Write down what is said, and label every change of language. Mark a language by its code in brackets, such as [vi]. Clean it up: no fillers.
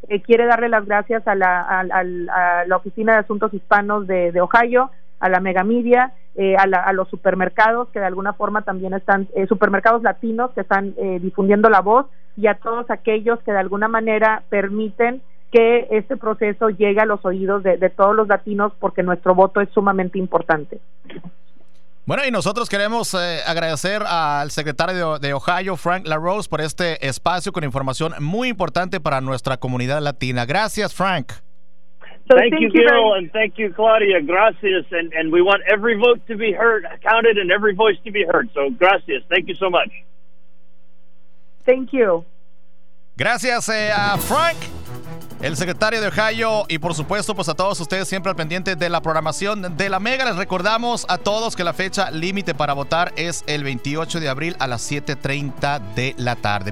[es] Quiere darle las gracias a la Oficina de Asuntos Hispanos de Ohio, a la Mega Media, a los supermercados que de alguna forma también están, supermercados latinos que están difundiendo la voz, y a todos aquellos que de alguna manera permiten que este proceso llegue a los oídos de todos los latinos, porque nuestro voto es sumamente importante. Bueno, y nosotros queremos agradecer al secretario de Ohio, Frank LaRose, por este espacio con información muy importante para nuestra comunidad latina. Gracias, Frank. [en] Thank you, Gil, and thank you, Claudia. [es] Gracias, [en] and we want every vote to be heard, counted, and every voice to be heard. So, [es] gracias. [en] Thank you so much. Thank you. [es] Gracias a Frank, el secretario de Ohio, y por supuesto, pues a todos ustedes siempre al pendiente de la programación de la Mega. Les recordamos a todos que la fecha límite para votar es el 28 de abril a las 7:30 de la tarde.